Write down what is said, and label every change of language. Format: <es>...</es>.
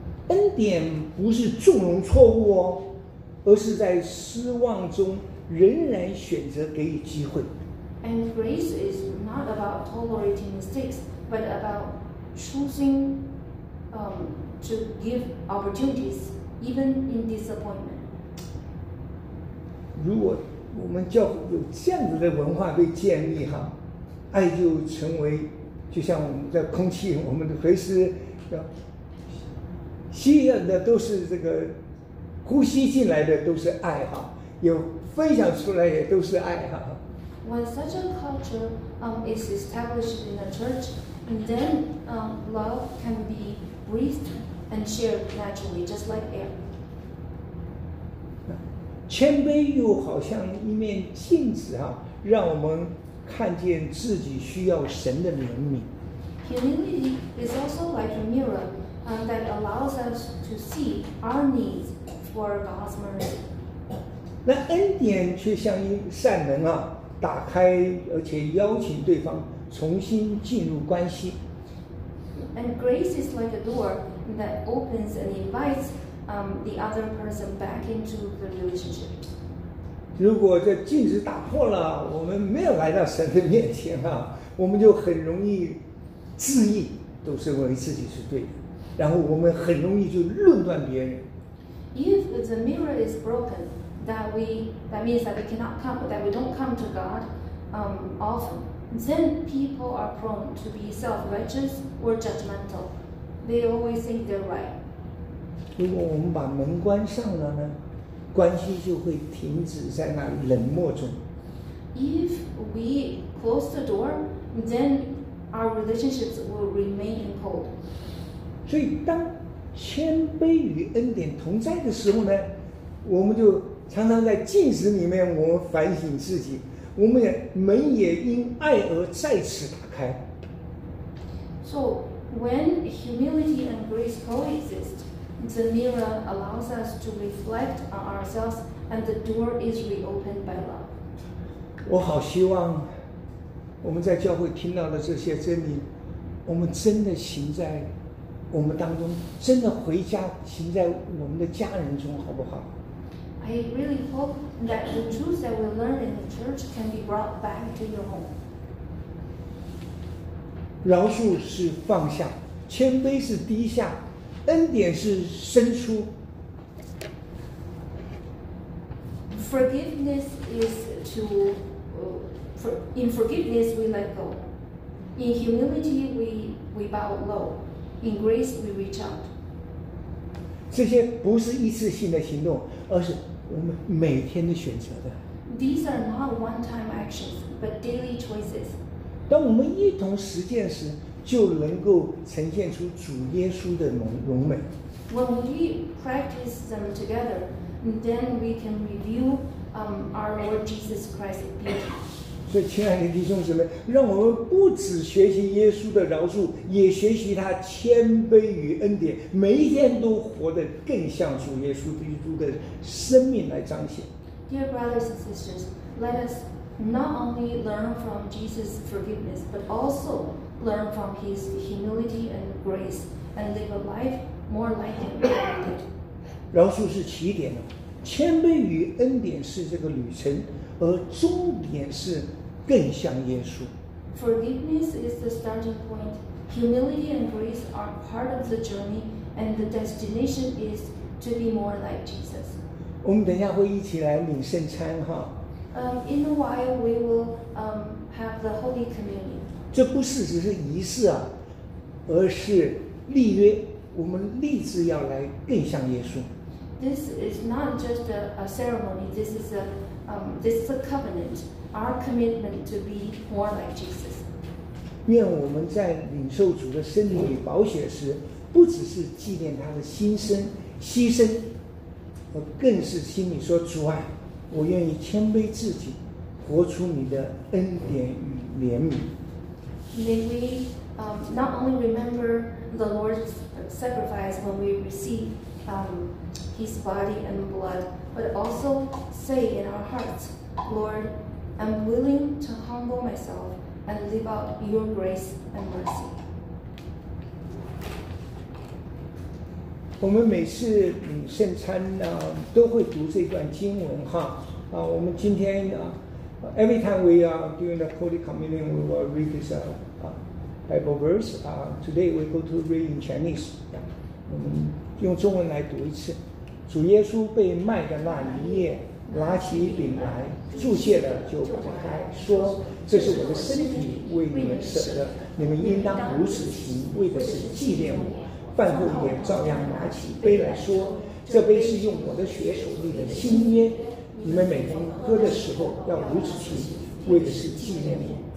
<zh>恩典不是纵容错误哦，而是在失望中仍然选择给予机会。</zh> <en>And grace is not about tolerating mistakes, but about choosing, to give opportunities, even in disappointment.</en> <zh>如果我们教会有这样子的文化被建立哈，爱就成为就像我们的空气，我们的随时要吸引的都是这个呼吸进来的都是爱哈，有分享出来也都是爱哈。</zh> <en>When such a culture is established in a church, then love can be breathed. And share naturally, just like air.</en> <zh>谦卑又好像一面镜子啊，让我们看见自己需要神的怜悯。</zh> <en>Humility is also like a mirror, that allows us to see our needs for God's mercy.</en> <zh>那恩典却像一扇门啊，打开而且邀请对方重新进入关系。</zh> <en>And grace is like a door. That opens and invites the other person back into the relationship.</en> <zh>如果这镜子打破了，我们没有来到神的面前啊，我们就很容易自义，都是认为自己是对的，然后我们很容易就论断别人。</zh> <en>If the mirror is broken, that means that we cannot come, that we don't come to God often, then people are prone to be self-righteous or judgmental. They always think they're right.</en> <zh>如果我们把门关上了呢，关系就会停止在那冷漠中。</zh> <en>If we close the door, then our relationships will remain cold.</en> <zh>所以当谦卑与恩典同在的时候呢，我们就常常在镜子里面我们反省自己，我们也门也因爱而再次打开。</zh> <en>So. When humility and grace coexist, the mirror allows us to reflect on ourselves, and the door is reopened by love.</en> <zh>我好希望我们在教会听到的这些真理，我们真的行在我们当中，真的回家行在我们的家人中，好不好？</zh> <en>I really hope that the truth that we learn in the church can be brought back to your home.</en> <zh>饶恕是放下，谦卑是低下，恩典是伸出。</zh> <en>Forgiveness is to, in forgiveness we let go. In humility we bow low. In grace we reach out.</en> <zh>这些不是一次性的行动，而是我们每天的选择的。</zh> <en>These are not one-time actions, but daily choices.</en> <zh>当我们一同实践时，就能够呈现出主耶稣的荣美。</zh> <en>When we practice them together, then we can reveal our Lord Jesus Christ's beauty.</en> <zh>所以，亲爱的弟兄姊妹，让我们不只学习耶稣的饶恕，也学习他谦卑与恩典，每一天都活得更像主耶稣基督的生命来彰显。</zh> <en>Dear brothers and sisters, let us not only learn from Jesus' forgiveness, but also learn from his humility and grace and live a life more like him.</en> <zh>饶恕是起点，谦卑与恩典是这个旅程，而终点是更像耶稣。</zh> <en>Forgiveness is the starting point. Humility and grace are part of the journey, and the destination is to be more like Jesus.</en> <zh>我们等一下会一起来领圣餐哈。</zh> <en>In a while, we will have the Holy Communion.</en> <zh>这不是只是仪式啊，而是立约，我们立志要来更像耶稣。</zh> <en>This is not just a ceremony. This is a covenant, our commitment to be more like Jesus.</en> <zh>愿我们在领受主的圣灵与宝血时，不只是纪念他的新生牺牲，而更是心里说：主啊，我愿意谦卑自己，活出你的恩典与怜悯。</zh> <en>May we not only remember the Lord's sacrifice when we receive His body and blood, but also say in our hearts, Lord, I'm willing to humble myself and live out Your grace and mercy.</en> <zh>我们每次圣餐呢，都会读这段经文哈。我们今天</zh> <en>every time we are doing the Holy Communion, we will read this Bible verse. Today we go to read in Chinese.</en> <zh>我们用中文来读一次。主耶稣被卖的那一夜，拿起饼来，祝谢了就擘开，说：“这是我的身体，为你们舍的，你们应当如此行，为的是纪念我。” 饭后也照样拿起杯来说：“这杯是用我的血所立的新约，你们每逢喝的时候要如此行，为的是纪念我。</zh>